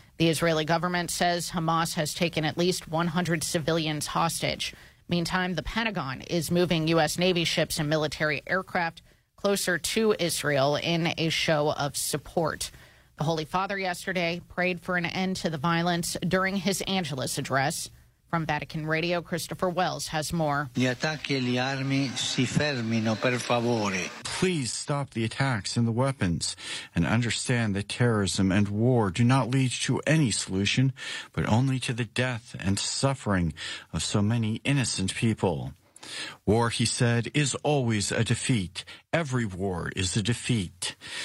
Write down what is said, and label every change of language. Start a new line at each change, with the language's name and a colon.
English: The Israeli government says Hamas has taken at least 100 civilians hostage. Meantime, the Pentagon is moving U.S. Navy ships and military aircraft closer to Israel in a show of support. The Holy Father yesterday prayed for an end to the violence during his Angelus address. From Vatican Radio, Christopher Wells has more.
Italian: Gli attacchi e le armi si fermino, per favore.
English: Please stop the attacks and the weapons and understand that terrorism and war do not lead to any solution, but only to the death and suffering of so many innocent people. War, he said, is always a defeat. Every war is a defeat.